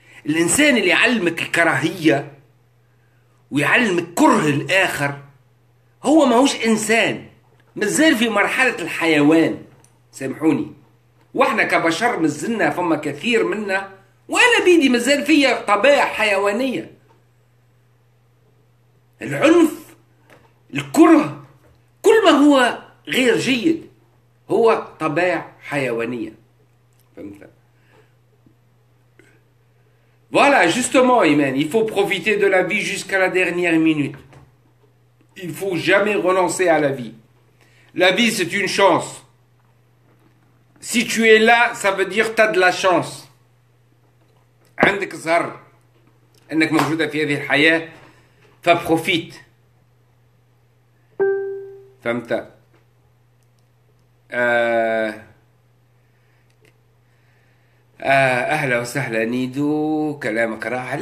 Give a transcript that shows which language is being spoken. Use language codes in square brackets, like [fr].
[ar] الإنسان اللي يعلمك الكراهية ويعلمك كره الآخر هو ماهوش إنسان، مازال في مرحلة الحيوان، سامحوني. واحنا كبشر مازلنا فما كثير منا، وانا بيدي مازال فيا طبائع حيوانية. العنف، الكره، كل ما هو غير جيد هو طبائع حيوانية، فهمت؟ [fr] Voilà, justement, Iman, il faut profiter de la vie jusqu'à la dernière minute. Il ne faut jamais renoncer à la vie. La vie, c'est une chance. Si tu es là, ça veut dire que tu as de la chance. [ar] عندك زهر انك موجودة في هذه الحياة، فبروفيت، فهمت؟ اهلا وسهلا نيدو، كلامك رائع.